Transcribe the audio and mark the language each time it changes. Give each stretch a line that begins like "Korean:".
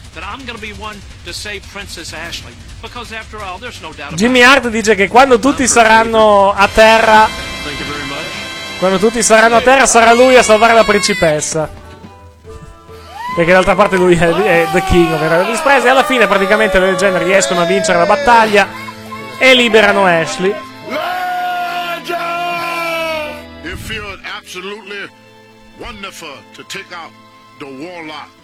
English: That I'm gonna be one to save Princess Ashley. Because after all, there's no doubt.
Italian: Jimmy Hart dice che quando tutti saranno a terra, quando tutti saranno a terra, sarà lui a salvare la principessa. Perché d'altra parte lui è
English: the king of Elvis Presley.
Italian: Alla fine praticamente le leggende riescono a vincere la battaglia e liberano Ashley.
English: Legend! It feels absolutely wonderful to take out the warlock.